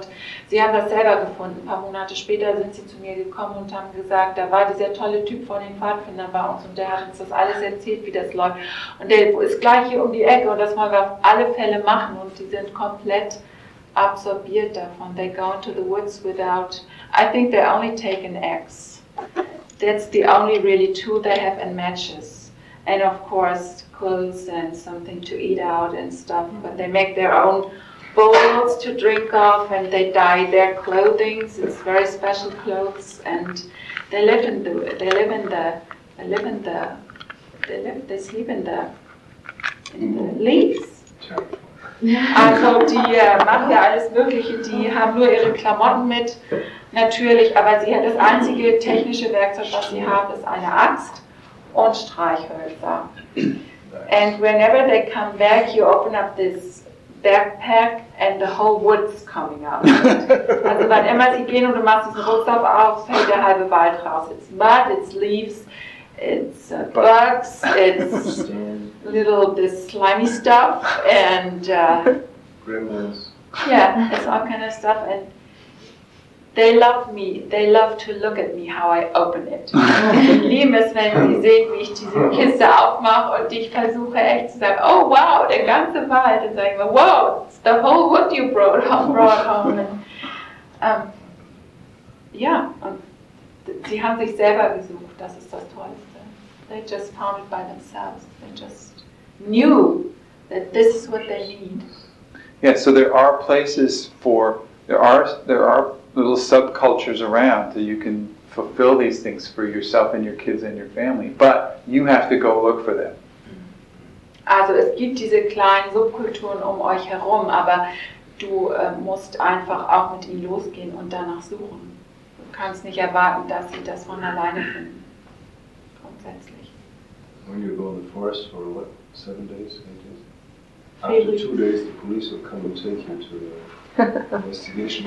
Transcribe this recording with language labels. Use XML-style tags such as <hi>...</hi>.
<de>Und sie haben das selber gefunden. Ein paar Monate später sind sie zu mir gekommen und haben gesagt, da war dieser tolle Typ von den Pfadfindern bei uns und der hat uns das alles erzählt, wie das läuft. Und der ist gleich hier um die Ecke und das wollen wir auf alle Fälle machen und die sind komplett absorbiert davon.</de> <en>They go into the woods without. I think they only take an axe. That's the only really tool they have and matches. And of course, clothes and something to eat out and stuff. But they make their own bowls to drink off and they dye their clothing. It's very special clothes. And they live in the. They live in the. They live in the. They live. They sleep in the. In the leaves.</en> <de>Also die machen ja alles Mögliche, die haben nur ihre Klamotten mit, natürlich, aber sie hat das einzige technische Werkzeug, was sie haben, ist eine Axt und Streichhölzer.</de> <en>And whenever they come back, you open up this backpack and the whole wood's coming out.</en> <de>Also wann immer sie gehen und du machst diesen Rucksack auf, fällt der halbe Wald raus.</de> <en>It's mud, it's leaves. It's bugs, it's little this slimy stuff, and gremlins. Yeah, it's all kind of stuff, and they love me. They love to look at me how I open it.</en> <de>Sie lieben es, wenn sie sehen, wie ich diese Kiste aufmache und ich versuche echt zu sagen, oh wow, der ganze Wald. Dann sage ich mir,</de> <en>wow, it's the whole wood you brought home. And, yeah.</en> <de>Sie haben sich selber gesucht, das ist das Tollste.</de> <en>They just found it by themselves. They just knew that this is what they need. Yeah, so there are places for, there are little subcultures around that you can fulfill these things for yourself and your kids and your family, but you have to go look for them.</en> <de>Also es gibt diese kleinen Subkulturen um euch herum, aber du musst einfach auch mit ihnen losgehen und danach suchen. Du kannst nicht erwarten, dass sie das von alleine finden, grundsätzlich.</de> <en>When you go in the forest for what, 7 days, 8 days? After 2 days the police will come and take you to the investigation.</en>